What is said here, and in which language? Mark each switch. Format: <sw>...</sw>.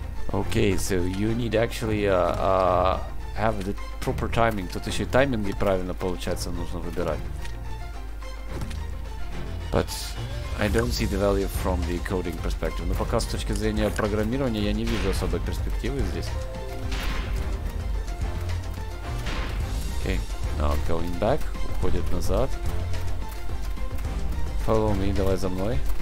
<en>Okay, so you need actually have the proper timing.</en> <ru>Тут еще и тайминги правильно получается нужно выбирать.</ru> <en>But I don't see the value from the coding perspective.</en> <ru>Но пока с точки зрения программирования я не вижу особой перспективы здесь.</ru> <en>Okay, now going back.</en> <ru>Уходит назад.</ru> <en>Follow me,</en> <ru>давай за мной.</ru>